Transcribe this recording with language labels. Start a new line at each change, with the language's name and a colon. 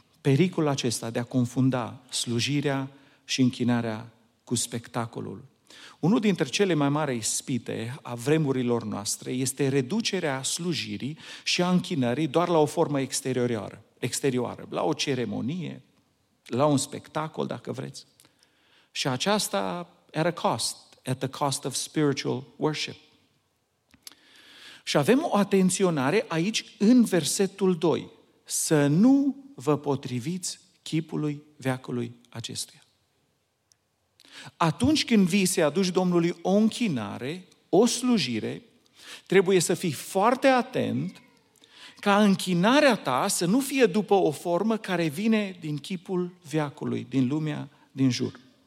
Romanian: Pericolul acesta de a confunda slujirea și închinarea cu spectacolul. Unul dintre cele mai mari ispite a vremurilor noastre este reducerea slujirii și a închinării doar la o formă exterioară, la o ceremonie, la un spectacol, dacă vreți. Și aceasta
English: at the cost of spiritual worship.
Romanian: Și avem o atenționare aici în versetul 2. Să nu vă potriviți chipului veacului acestuia. Atunci când vii să aduci Domnului o închinare, o slujire, trebuie să fii foarte atent ca închinarea ta să nu fie după o formă care vine din chipul veacului, din lumea din jur.